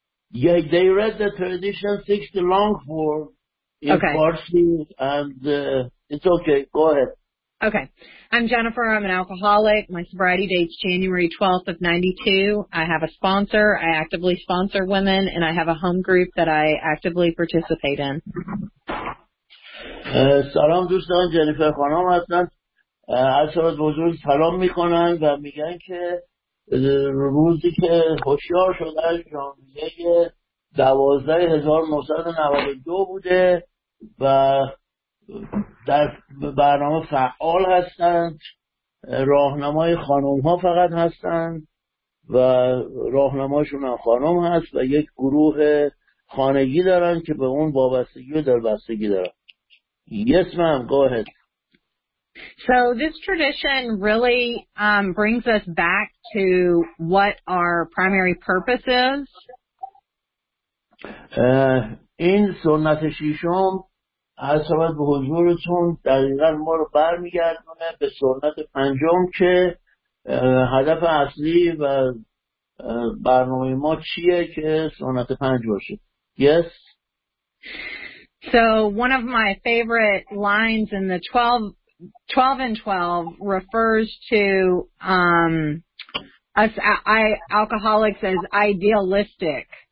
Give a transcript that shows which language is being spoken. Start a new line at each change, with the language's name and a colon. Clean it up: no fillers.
English: Yeah, they read the tradition 60 long form in Farsi, and it's okay. Go ahead. Okay. I'm Jennifer. I'm an alcoholic. My sobriety date's January 12th of 92. I have a sponsor. I actively sponsor women, and I have a home group that I actively participate in.
Persian: Salam dostan, Jennifer khanam hastan. عصبت بزرگ سلام میکنن و میگن که روزی که هوشیار شده ژانویه 12992 بوده و در برنامه فعال هستند، راهنمای خانم ها فقط هستند و راهنمایشون هم خانم هست و یک گروه خانگی دارن که به اون وابستگی و دلبستگی دارن.
English: Yes ma'am, go ahead. So this tradition really brings us back to what our primary purpose is.
Persian: این سنت شیشم حسابت به حضورتون دقیقا ما رو برمیگردونه به سنت پنجم که هدف اصلی و برنامه ما چیه که سنت پنج باشه.
English: Yes. So one of my favorite lines in the 12 and 12 refers to us alcoholics as idealistic.